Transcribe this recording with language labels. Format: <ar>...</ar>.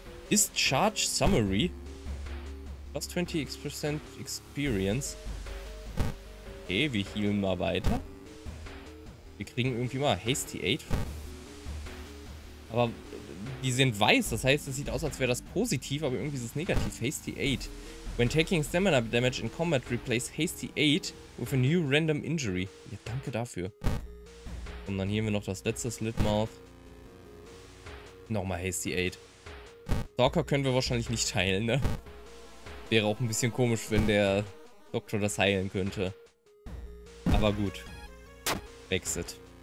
<en>Discharge Summary. Plus 20% Experience.</en> <de>Okay, wir healen mal weiter. Wir kriegen irgendwie mal Hasty 8. Aber die sind weiß, das heißt, es sieht aus, als wäre das positiv, aber irgendwie ist es negativ. Hasty 8.</de> <en>When taking stamina damage in combat, replace Hasty 8 with a new random injury.</en> <de>Ja, danke dafür. Und dann hier haben wir noch das letzte Slitmouth. Nochmal Hasty 8. Stalker können wir wahrscheinlich nicht heilen, ne? Wäre auch ein bisschen komisch, wenn der Doktor das heilen könnte. Aber gut. Exit.</de>